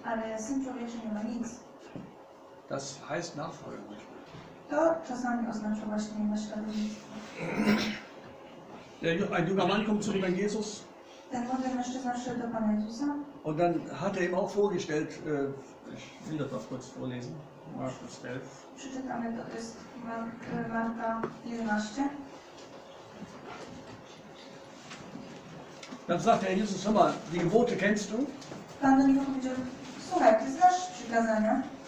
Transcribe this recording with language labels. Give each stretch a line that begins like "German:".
Polish: Ale Syn Człowieczy nie ma nic.
German: Das heißt Nachfolgen.
Polish: To czasami oznacza właśnie naśladownictwo.
German: Ein junger Mann kommt zu dem Herrn Jesus.
Polish: Ten młody mężczyzna szedł do Pana Jezusa.
German: Und dann hat ihm auch vorgestellt, ich will das auch kurz vorlesen, Markus 11.
Polish: Przeczytamy, to jest Marka 11.
German: Dann sagt der Jesus, hör mal, die Gebote kennst du?
Polish: Pan do niego powiedział, słuchaj, ty znasz przykazania?